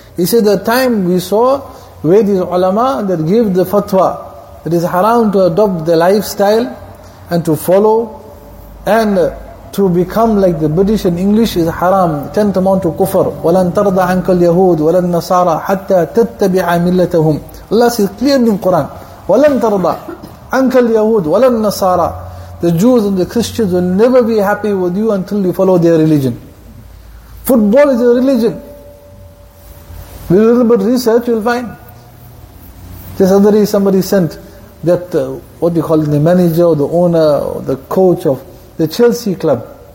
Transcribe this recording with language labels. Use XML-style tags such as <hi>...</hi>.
<en>He said, the time we saw where these ulama that gave the fatwa that is haram to adopt the lifestyle and to follow and to become like the British and English is haram, tantamount to kufr.</en> <ar>وَلَنْ تَرْضَ عَنْكَ الْيَهُودِ وَلَنْ نَصَارَى حَتَّى تَتَّبِعَ مِلَّتَهُمْ.</ar> <en>Allah says clearly in Quran,</en> <ar>وَلَنْ تَرْضَ عَنْكَ الْيَهُودِ وَلَنْ نَصَارَى.</ar> <en>The Jews and the Christians will never be happy with you until you follow their religion. Football is a religion. With a little bit of research, you'll find. Just other day somebody sent that, what do you call it, the manager or the owner or the coach of the Chelsea club.</en>